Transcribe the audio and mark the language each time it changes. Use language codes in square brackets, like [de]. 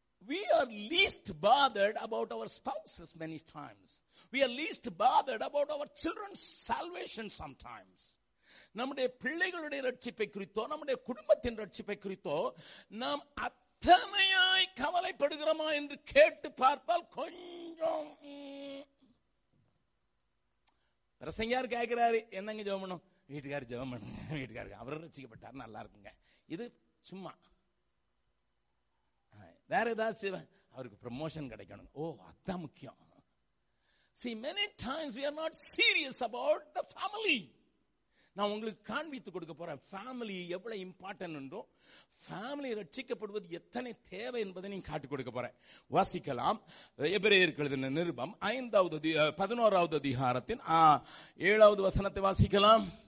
[en] We are least bothered about our spouses many times. We are least bothered about our children's salvation sometimes. [ta] நம்முடைய பிள்ளைகளுடைய ரட்சிப்பை குறித்தோ, நம்முடைய குடும்பத்தின் ரட்சிப்பை குறித்தோ நாம் அத்தனையாய் கவலைப்படுகிறோமா என்று கேட்டு பார்த்தால் கொஞ்சம் பிரசங்கார் கேட்கிறாரு, என்னங்க ஜெபம் பண்ணும்? வீட்டுக்காரர் ஜெபம் பண்ணுங்க, வீட்டுக்காரர் அவர் ரசிக்கப்பட்டார், நல்லா இருக்குங்க. இது சும்மா வேற ஏதாச்சும் அவருக்கு ப்ரமோஷன் கிடைக்கணும். ஓ, அதான் முக்கியம். [en] See, many times we are not serious about the family. [ta] நான் உங்களுக்கு காண்பித்து கொடுக்க போறேன் ஃபேமிலி எவ்வளவு இம்பார்ட்டன்ட் என்றும், ஃபேமிலி ரட்சிக்கப்படுவது எத்தனை தேவை என்பதை நீ காட்டி கொடுக்க போறேன். வாசிக்கலாம், எபிரேயர்களின் நிருபம் 5வது 11வது அதிகாரத்தின் 7வது வசனத்தை வாசிக்கலாம்.